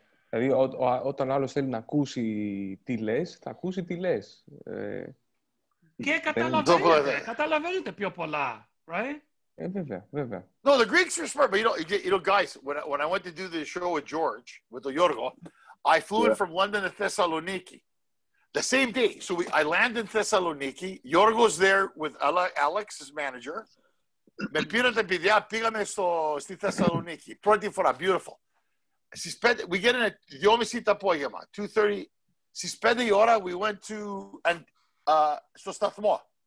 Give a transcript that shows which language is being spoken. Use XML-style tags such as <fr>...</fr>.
<el>Δηλαδή, όταν άλλος θέλει να ακούσει τι λες, θα ακούσει τι λες. Και καταλαβαίνετε πιο πολλά, right? Βέβαια.</el> <en>No, the Greeks are smart, but you know, guys, when I went to do the show with George, with Yorgo, I flew in from London to Thessaloniki the same day. So I land in Thessaloniki. Yorgo's there with Alex, his manager.</en> <el>Με πήραν τα παιδιά, πήγαμε στη Θεσσαλονίκη. Πρώτη φορά, beautiful.</el> <en>We get in at 2:30</en> <el>το απόγευμα,</el> <en>2:30.</en> <el>Στις 5 η ώρα,</el> <en>we went to</en> <el>στο σταθμό.</el>